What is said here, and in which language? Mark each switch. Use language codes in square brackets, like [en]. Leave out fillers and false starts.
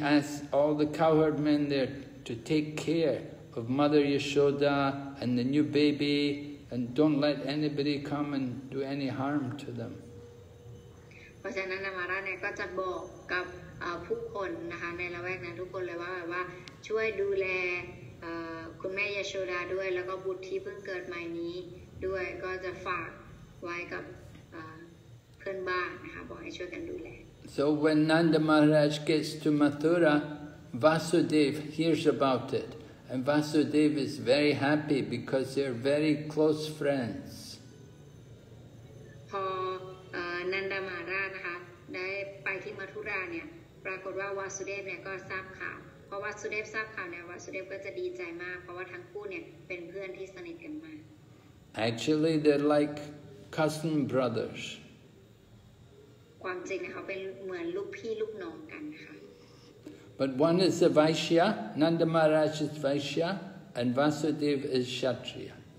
[en] asked all the cowherd men there to take care of Mother Yashoda and the new baby, and don't let anybody come and do any harm to them. [th] เพราะฉะนั้นนามาราเนี่ยก็จะบอกกับผู้คนนะคะในละแวกนั้นทุกคนเลยว่าแบบว่าช่วยดูแลคุณแม่ยโชดาด้วยแล้วก็บุตรที่เพิ่งเกิดใหม่นี้ด้วยก็จะฝากไว้กับเพื่อนบ้านนะคะบอกให้ช่วยกันดูแล [en] So when Nanda Maharaj gets to Mathura, Vasudev hears about it, and Vasudev is very happy because they're very close friends. [th] พอนันดามาราชนะคะได้ไปที่มัทุราเนี่ยปรากฏว่าวาสุเดฟเนี่ยก็ทราบข่าวเพราะวาสุเดฟทราบข่าวเนี่ยวาสุเดฟก็จะดีใจมากเพราะว่าทั้งคู่เนี่ยเป็นเพื่อนที่สนิทกันมาก [en] Actually they're like cousin brothers [th] ความจริงเนี่ยเขาเป็นเหมือนลูกพี่ลูกน้องกันค่ะ [en] But one is a Vaishya Nanda Maharaj is Vaishya and Vasudev is Kshatriya